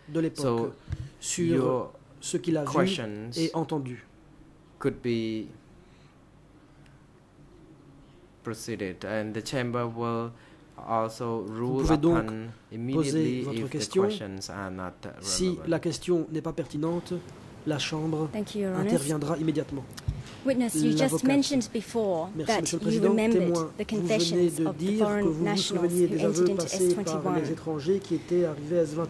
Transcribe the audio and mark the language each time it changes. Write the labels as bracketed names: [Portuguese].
[French] De l'époque, [English] so [French] sur ce qu'il a vu et entendu. [English] Could be proceeded, and the chamber will also rule upon immediately if the questions are not relevant. [French] Si la question n'est pas pertinente, la chambre interviendra immédiatement. [English] Witness, you just mentioned before that you remembered the confessions of the foreign nationals who entered into S21.